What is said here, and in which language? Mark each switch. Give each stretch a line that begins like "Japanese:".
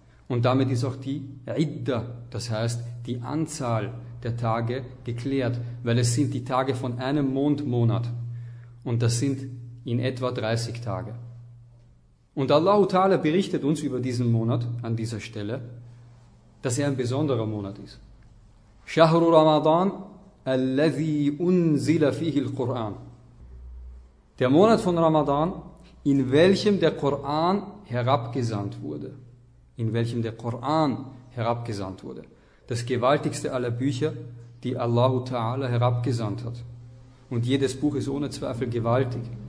German: Und damit ist auch die Idda, das heißt die Anzahl der Tage, geklärt. Weil es sind die Tage von einem Mondmonat. Und das sind in etwa 30 Tage. Und Allah Ta'ala berichtet uns über diesen Monat an dieser Stelle, dass er ein besonderer Monat ist.
Arabic: شهر رمضان الذي أنزل فيه القرآن.
German: Der Monat von Ramadan, in welchem der Koran herabgesandt wurde. In welchem der Koran herabgesandt wurde. Das gewaltigste aller Bücher, die Allah Ta'ala herabgesandt hat. Und jedes Buch ist ohne Zweifel gewaltig.